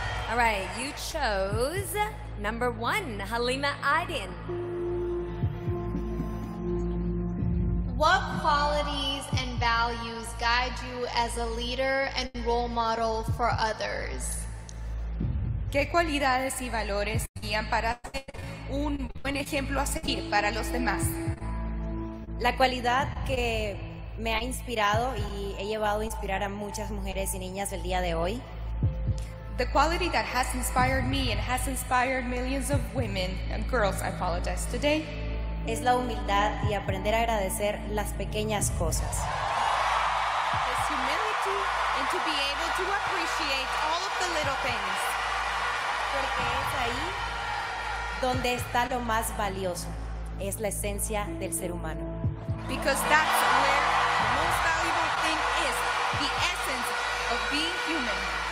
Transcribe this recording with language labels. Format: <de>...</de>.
<en>All right, you chose number 1, Halima Aydin. What qualities and values guide you as a leader and role model for others?</en> <es>¿Qué cualidades y valores y guían para ser un buen ejemplo a seguir para los demás. La cualidad que me ha inspirado y he llevado a inspirar a muchas mujeres y niñas el día de hoy.</es> <en>The quality that has inspired me and has inspired millions of women and girls, I apologize, today.</en> <es>Es la humildad y aprender a agradecer las pequeñas cosas.</es> <en>It's humility and to be able to appreciate all of the little things.</en> <es>Porque es ahí donde está lo más valioso. Es la esencia del ser humano.</es> <en>Because that's where the most valuable thing is, the essence of being human.</en>